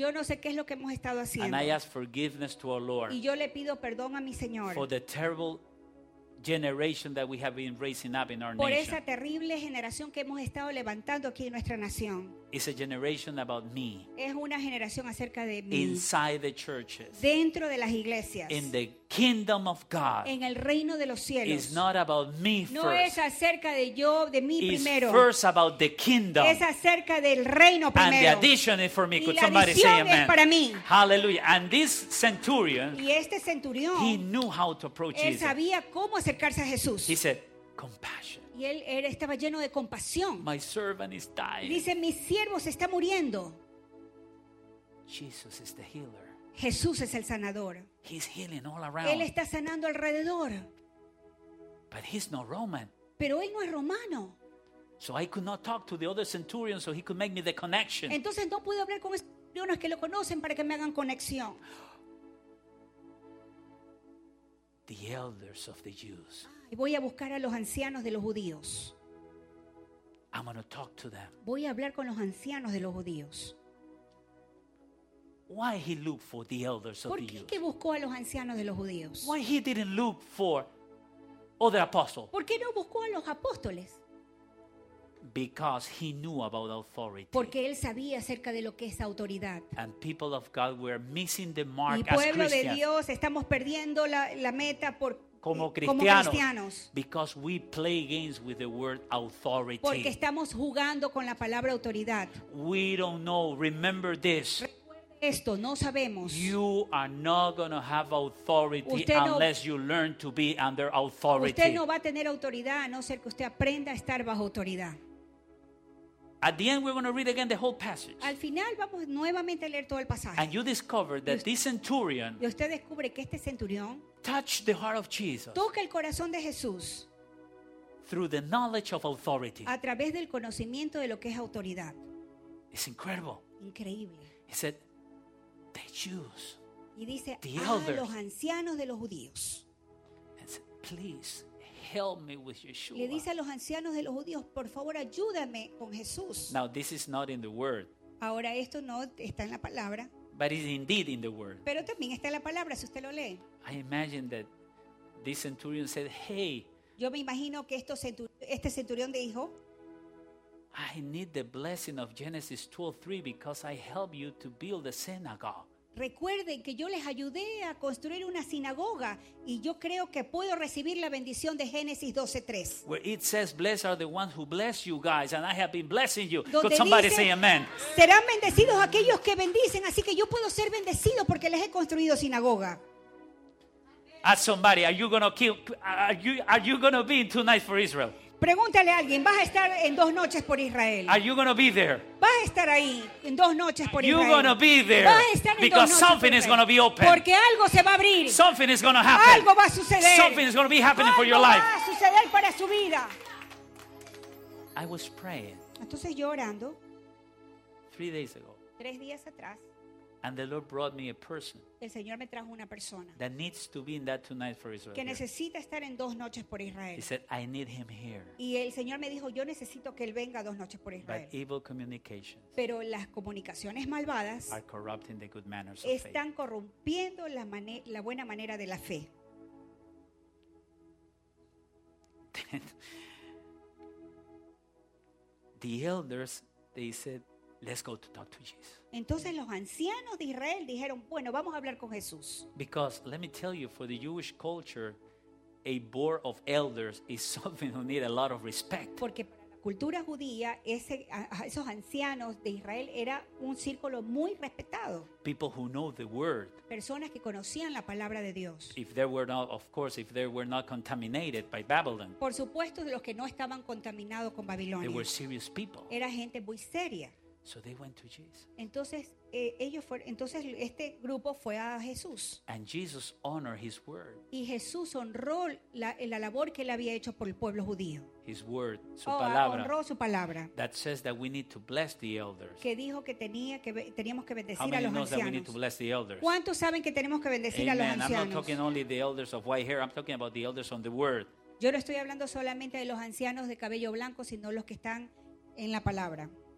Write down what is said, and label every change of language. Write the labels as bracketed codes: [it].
[es] Yo no sé qué es lo que hemos estado haciendo. [en] And I ask forgiveness to our Lord. [es] Y yo le pido perdón a mi Señor [en] for the terrible generation that we have been raising up in our [es] por [en] nation. [es] Esa terrible generación que hemos estado levantando aquí en nuestra nación. [en] It's a generation about me. [es] Es una generación acerca de mí. [en] Inside the churches. [es] Dentro de las iglesias. [en] In the kingdom of God. [es] En el reino de los cielos. [en] It's not about me first. [es] No es acerca de yo, de mí [en] It's [es] primero. [en] First about the kingdom. [es] Es acerca del reino primero. [en] And the addition is for me. Could [es] y la [en] somebody say [es] es [en] amen? [es] Para mí. [en] Hallelujah. And this centurion. [es] Y este centurión. [en] He knew how to approach [es] Jesus. Él sabía cómo acercarse a Jesús. [en] He said, compassion. [es] Y él estaba lleno de compasión. [en] My servant is dying. [es] Dice, mi siervo se está muriendo. [en] Jesus is the healer. [es] Jesús es el sanador. [en] He's healing all around. [es] Él está sanando alrededor. [en] But he's not Roman. [es] Pero él no es romano. [en] So I could not talk to the other centurion so he could make me the connection. [es] Entonces no puedo hablar con centuriones que lo conocen para que me hagan conexión. [en] The elders of the Jews. [es] Y voy a buscar a los ancianos de los judíos. [en] I'm going to talk to them. [es] Voy a hablar con los ancianos de los judíos. [en] Why he looked for the elders of the Jews? [es] ¿Por qué buscó a los ancianos de los judíos? [en] Why he didn't look for other apostles? [es] ¿Por qué no buscó a los apóstoles? [en] Because he knew about authority. [es] Porque él sabía acerca de lo que es autoridad. [en] And people of God were missing the mark. [es] Y pueblo [en] as Christians. [es] De Dios, estamos perdiendo la meta por como cristianos. [en] Because we play games with the word authority. [es] Porque estamos jugando con la palabra autoridad. [en] We don't know. Remember this. [es] Esto no sabemos. [en] You are not going to have authority unless you learn to be under authority. [es] Usted no va a tener autoridad a no ser que usted aprenda a estar bajo autoridad. [en] At the end, we're going to read again the whole passage. [es] Al final vamos nuevamente a leer todo el pasaje. [en] And you discover that this centurion. [es] Y usted descubre que este centurión. [en] Touched the heart of Jesus. [es] Toca el corazón de Jesús. [en] Through the knowledge of authority. [es] A través del conocimiento de lo que es autoridad. [en] It's incredible. [es] Increíble. [en] He said. The Jews, [es] y dice, [en] the elders, [es] los ancianos de los judíos. [en] And said, please help me with Yeshua. [es] Le dice a los ancianos de los judíos, por favor, ayúdame con Jesús. [en] Now this is not in the word. [es] Ahora esto no está en la palabra. [en] But it's indeed in the word. [es] Pero también está en la palabra si usted lo lee. [en] I imagine that this centurion said, hey. [es] Yo me imagino que este centurión dijo. [en] I need the blessing of Genesis 12:3 because I helped you to build a synagogue. [es] Recuerden que yo les ayudé a construir una sinagoga y yo creo que puedo recibir la bendición de Génesis 12:3. [en] Where it says, "Blessed are the ones who bless you guys," and I have been blessing you. [es] Donde [en] could somebody [es] dice, [en] say amen? [es] Serán bendecidos aquellos que bendicen, así que yo puedo ser bendecido porque les he construido sinagoga. [en] Ask somebody, are you gonna be in tonight for Israel? [es] Pregúntale a alguien, ¿vas a estar en dos noches por Israel? [en] Are you going to be there? [es] ¿Vas a estar ahí en dos noches por [en] You're [es] Israel? [en] You're going to be there. [es] ¿Vas a estar en [en] Because [es] dos [en] something [es] Israel? [en] Is going to be open. [es] Porque algo se va a abrir. [en] Something is going to happen. [es] Algo va a suceder. [en] Something is going to be happening [es] algo [en] for your life. [es] Va a suceder para su vida. [en] I was praying. [es] Entonces yo orando. [en] 3 days ago. [es] 3 días atrás. [en] And the Lord brought me a person. [es] El Señor me trajo una persona. [en] That needs to be in that tonight for Israel. [es] Que necesita estar en dos noches por Israel. [en] He said, "I need him here." [es] Y el Señor me dijo, "Yo necesito que él venga dos noches por Israel." [en] But evil communications. [es] Pero las comunicaciones malvadas. [en] Are corrupting the good manners of faith. [es] Están corrompiendo la buena manera de la fe. [en] The elders, they said, "Let's go to talk to Jesus." [es] Entonces los ancianos de Israel dijeron, bueno, vamos a hablar con Jesús. [en] Because let me tell you, for the Jewish culture, a board of elders is something who need a lot of respect. [es] Porque para la cultura judía, esos ancianos de Israel era un círculo muy respetado. [en] People who know the word. [es] Personas que conocían la palabra de Dios. [en] If they were not, of course, if they were not contaminated by Babylon. [es] Por supuesto, los que no estaban contaminados con Babilonia. [en] They were serious people. [es] Era gente muy seria. [en] So they went to Jesus. [es] Entonces este grupo fue a Jesús. [en] And Jesus honored his word. [es] Y Jesús honró la labor que él había hecho por el pueblo judío. [en] His word, [es] su palabra. Honró su palabra. [en] That says that we need to bless the elders. [es] Que dijo que teníamos que bendecir a los ancianos. [en] That we need to bless the elders? [es] ¿Cuántos saben que tenemos que bendecir Amen. A los ancianos? [en] I'm not talking only the elders of white hair. I'm talking about the elders on the word. [es] Yo no estoy hablando solamente de los ancianos de cabello blanco, sino los que están en la palabra.